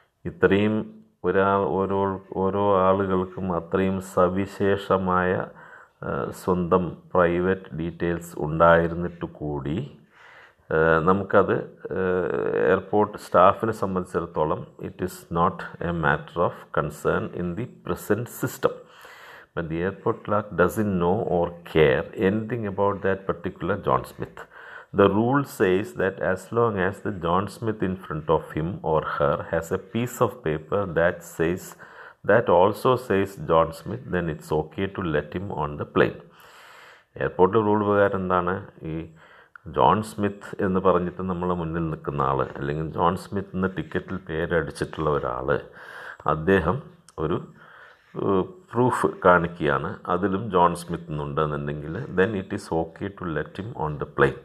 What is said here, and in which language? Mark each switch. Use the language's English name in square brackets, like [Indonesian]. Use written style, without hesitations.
[Malayalam] ഇത്രയും ഒരാൾ ഓരോ ആളുകൾക്കും അത്രയും സവിശേഷമായ സ്വന്തം പ്രൈവറ്റ് ഡീറ്റെയിൽസ് ഉണ്ടായിരുന്നിട്ട് കൂടി നമുക്കത് എയർപോർട്ട് സ്റ്റാഫിനെ സംബന്ധിച്ചിടത്തോളം [English] It is not a matter of concern in the present system. But the airport clerk doesn't know or care anything about that particular John Smith. The rule says that as long as the John Smith in front of him or her has a piece of paper that says, that also says John Smith, then it's okay to let him on the plane. [Malayalam] Airport rule vagaram endana, ee John Smith ennu paranjittu nammala munnil nikkuna aalu allengi John Smith ennu ticket il peru adichittulla oru aalu addeham oru proof കാണിക്കുകയാണ്, അതിലും John Smith എന്നുണ്ട് എന്നുണ്ടെങ്കിൽ [English] Then it is okay to let him on the plane.